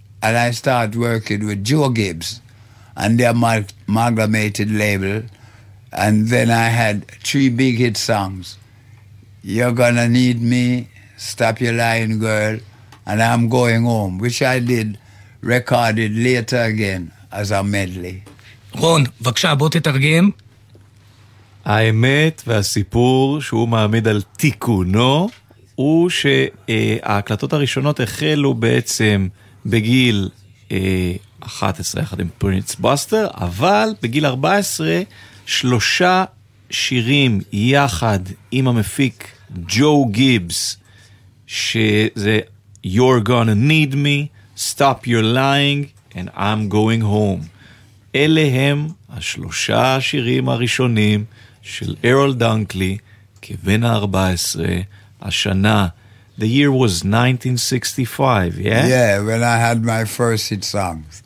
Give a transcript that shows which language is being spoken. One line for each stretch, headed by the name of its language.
English: And I started working with Joe Gibbs and their amalgamated label. And then I had three big hit songs. You're Gonna Need Me, Stop Your Lying Girl, and I'm Going Home, which I did, recorded later again as a medley.
Hebrew: רון, בבקשה, בוא תתרגם. האמת והסיפור שהוא מעמיד על תיקונו, הוא שההקלטות הראשונות החלו בעצם בגיל 11, אחד עם פרינס בוסטר, אבל בגיל 14... שלושה שירים יחד עם המפיק ג'ו גיבס, שזה You're Gonna Need Me, Stop Your Lying, and I'm Going Home. אלה הם השלושה שירים הראשונים של אירול דנקלי כבן ה-14 השנה.
English: The year was 1965, yeah? Yeah, when I had my first hit song.